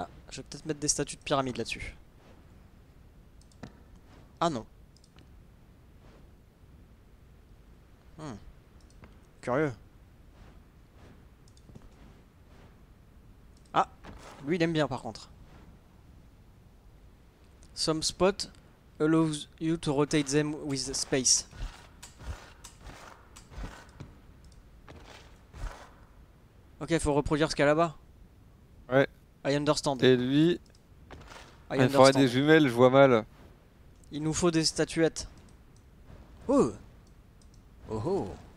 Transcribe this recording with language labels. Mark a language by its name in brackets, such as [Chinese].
[French] Je vais peut-être mettre des statues de pyramide là-dessus. Ah non. Curieux. Ah, lui il aime bien par contre. [English] Some spot allows you to rotate them with space. [French] Ok, faut reproduire ce qu'il y a là-bas. Ouais. [English] I understand. [French] Et lui, il faudrait des jumelles, je vois mal. Il nous faut des statuettes. Oh. Oh oh.